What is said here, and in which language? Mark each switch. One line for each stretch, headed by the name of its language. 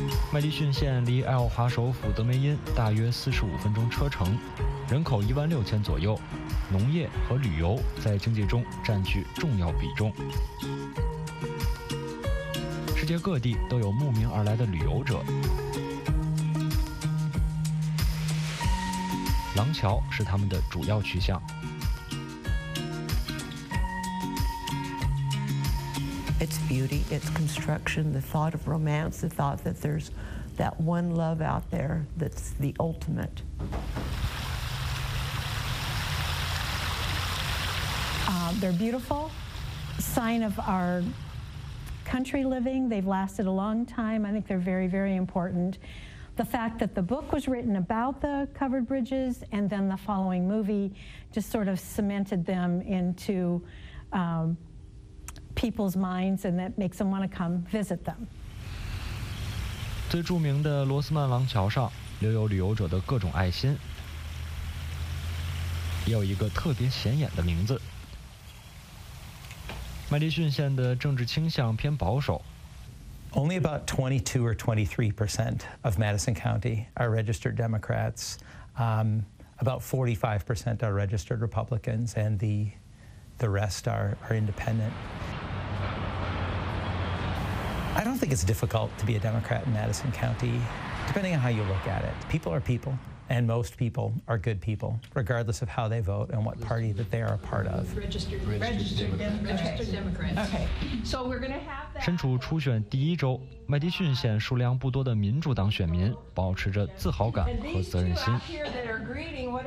Chinese: 麦迪逊县离爱奥华首府德梅因大约45分钟车程，人口16000左右，农业和旅游在经济中占据重要比重。世界各地都有慕名而来的旅游者。廊桥是他们的主要去向。
English: It's beauty, it's construction, the thought of romance, the thought that there's that one love out there that's the ultimate. They're beautiful, sign of our country living. They've lasted a long time. I think they're very, very important. The fact that the book was written about the covered bridges and then the following movie just sort of cemented them into people's minds and that makes them want to come visit them. 最著名的罗斯曼王桥上留有旅游者的各种爱心，也有一个特别显眼的名字。麦迪逊县的政治倾向偏保守。 Only about 22 or 23% of Madison County are registered Democrats. About 45% are registered Republicans, and the rest are independent. I don't think it's difficult to be a Democrat in Madison County, depending on how you look at it. People are people, and most people are good people, regardless of how they vote and what party that they are a part of. Registered Democrats. Okay. So we're going to have.
Chinese: 身处初选第一周，麦迪逊县数量不多的民主党选民保持着自豪感和责任心。